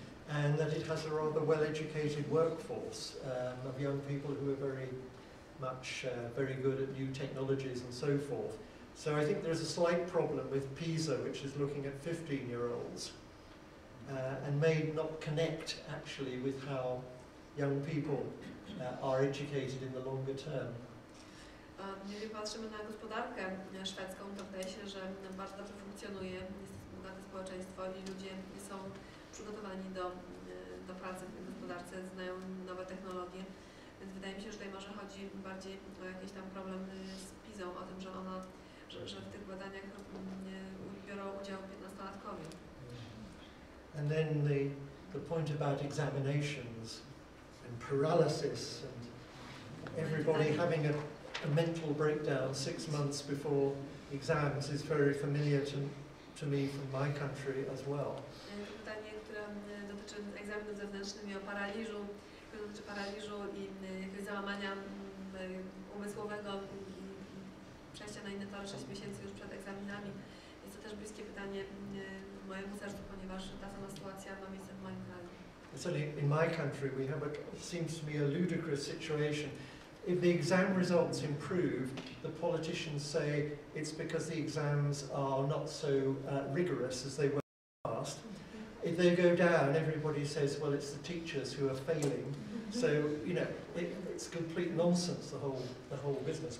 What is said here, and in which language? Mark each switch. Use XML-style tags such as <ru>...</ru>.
<en>And that it has a rather well-educated workforce of young people who are very much very good at new technologies and so forth. So I think there's a slight problem with PISA, which is looking at 15-year-olds and may not connect actually with how young people are educated in the longer term.</en> <pl>Jeżeli patrzymy na gospodarkę szwedzką, to wydaje się, że bardzo dobrze funkcjonuje, jest bogate społeczeństwo i ludzie są przygotowani do pracy w gospodarce, znają nowe technologie, więc wydaje mi się, że tutaj może chodzi bardziej o jakiś tam problem z PISA, o tym, że ona, że w tych badaniach biorą udział 15-latkowie.</pl> <en>And then the the point about examinations and paralysis and everybody having a mental breakdown 6 months before exams is very familiar to me from my country as well.</en> <pl>Pytanie, które dotyczy egzaminów zewnętrznych i o paraliżu, które dotyczy paraliżu i załamania umysłowego i przejścia na inne tory 6 miesięcy już przed egzaminami. Jest to też bliskie pytanie mojemu sercu, ponieważ ta sama sytuacja ma miejsce w moim kraju.</pl> <en>In my country we have seems to be a ludicrous situation. If the exam results improve, the politicians say it's because the exams are not so rigorous as they were in the past. If they go down, everybody says, well, it's the teachers who are failing. So, you know, it's complete nonsense, the whole business.</en>